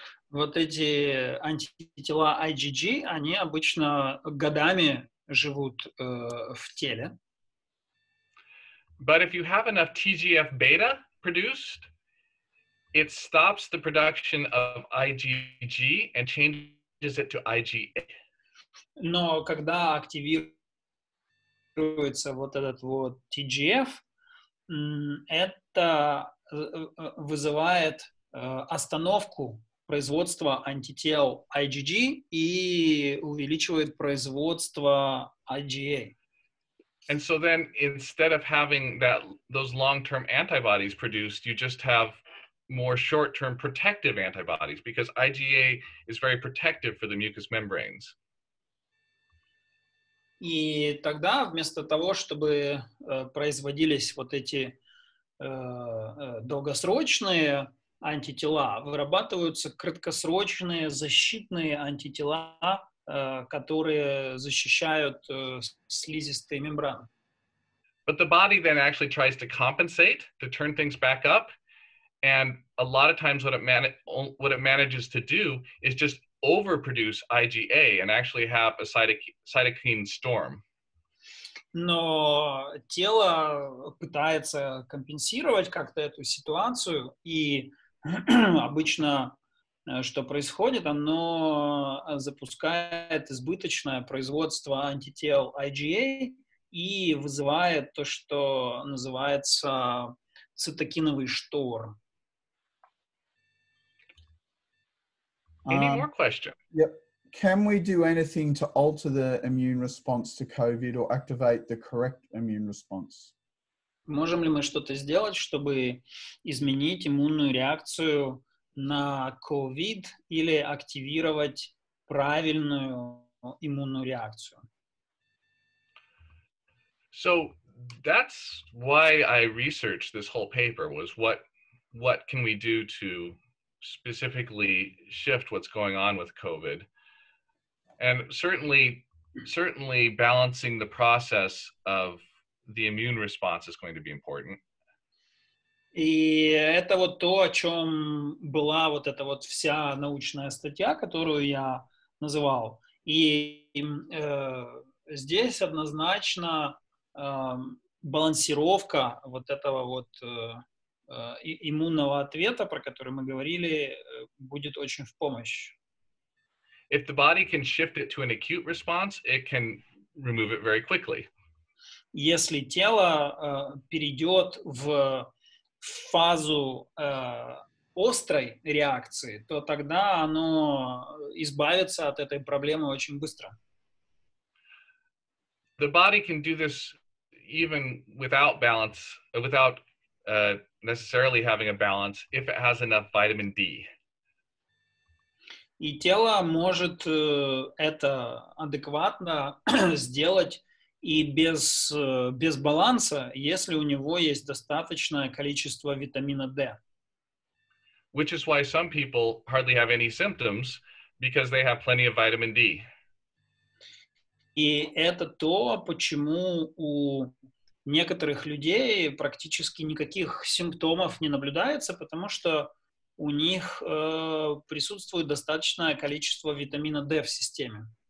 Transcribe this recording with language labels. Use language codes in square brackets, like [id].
[ru] Вот эти антитела IgG, они обычно годами живут в теле. [en] But if you have enough TGF-beta produced, it stops the production of IgG and changes it to IgA. [ru] Но когда активируется вот этот вот TGF, это вызывает остановку производства антител IgG и увеличивает производство IgA. [en] And so then, instead of having that those long-term antibodies produced, you just have more short-term protective antibodies because IgA is very protective for the mucous membranes. [ru] И тогда вместо того, чтобы производились вот эти долгосрочные антитела, вырабатываются краткосрочные защитные антитела, которые защищают слизистые мембраны. [en] But the body then actually tries to compensate, to turn things back up, and a lot of times what it manages to do is just overproduce IgA and actually have a cytokine storm. [ru] Но тело пытается компенсировать как-то эту ситуацию, и обычно, что происходит, оно запускает избыточное производство антител IgA и вызывает то, что называется цитокиновый шторм. [en] Any more questions? Yep. Can we do anything to alter the immune response to COVID or activate the correct immune response? [ru] Можем ли мы что-то сделать, чтобы изменить иммунную реакцию на COVID или активировать правильную иммунную реакцию? [en] So that's why I researched this whole paper, was what can we do to specifically shift what's going on with COVID? And certainly balancing the process of the immune response is going to be important. [ru] И это вот то, о чем была вот эта вот вся научная статья, которую я называл. И здесь однозначно балансировка вот этого вот иммунного ответа, про который мы говорили, будет очень в помощь. [en] If the body can shift it to an acute response, it can remove it very quickly. [ru] Если тело перейдет в фазу острой реакции, то тогда оно избавится от этой проблемы очень быстро. [en] The body can do this even without balance, without necessarily having a balance, if it has enough vitamin D. [ru] И тело может это адекватно сделать и без баланса, если у него есть достаточное количество витамина D. [en] Which is why some people hardly have any symptoms, because they have plenty of vitamin D. [ru] И это то, почему у некоторых людей практически никаких симптомов не наблюдается, потому что у них присутствует достаточное количество витамина D в системе.